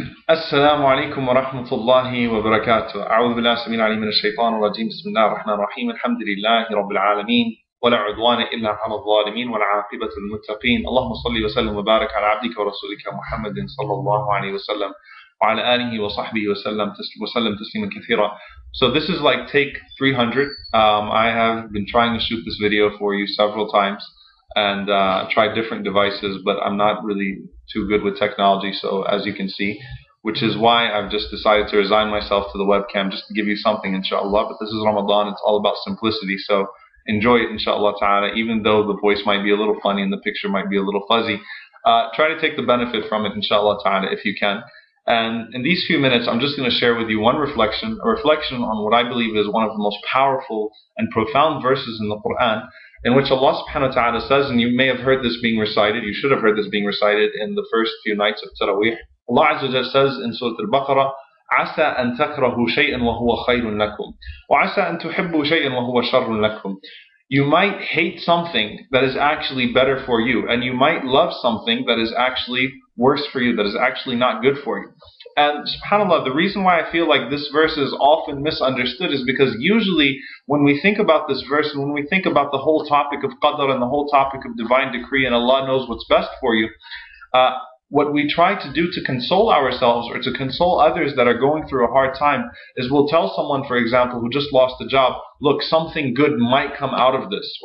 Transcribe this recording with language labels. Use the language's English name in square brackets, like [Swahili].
[Arabic] السلام عليكم ورحمة الله وبركاته أعوذ بالله السميع العليم من الشيطان الرجيم بسم الله الرحمن الرحيم الحمد لله رب العالمين ولا عدوان إلا على الظالمين والعاقبة للمتقين اللهم صل وسلم وبارك على عبدك ورسولك محمد صلى الله عليه وسلم وعلى آله وصحبه وسلم وسلم تسليما كثيرا. [English] So this is like take 300. I have been trying to shoot this video for you several times and tried different devices, but I'm not really too good with technology, so as you can see, which is why I've just decided to resign myself to the webcam just to give you something, inshallah. But this is Ramadan, it's all about simplicity, so enjoy it, inshallah ta'ala, even though the voice might be a little funny and the picture might be a little fuzzy. Try to take the benefit from it, inshallah ta'ala, if you can. And in these few minutes, I'm just going to share with you one reflection, a reflection on what I believe is one of the most powerful and profound verses in the Quran, in which Allah subhanahu wa ta'ala says, and you may have heard this being recited, you should have heard this being recited in the first few nights of Taraweeh. Allah Azza wa Jalla says in Surah Al-Baqarah, [Arabic] عَسَىٰ أَن تَكْرَهُ شَيْئًا وَهُوَ خَيْرٌ لَكُمْ وَعَسَىٰ أَن تُحِبُّ شَيْئًا وَهُوَ شَرٌ لَكُمْ. [English] You might hate something that is actually better for you, and you might love something that is actually worse for you, that is actually not good for you. And subhanAllah, the reason why I feel like this verse is often misunderstood is because usually when we think about this verse, and when we think about the whole topic of qadr and the whole topic of divine decree and Allah knows what's best for you, what we try to do to console ourselves or to console others that are going through a hard time is we'll tell someone, for example, who just lost a job, look, something good might come out of this.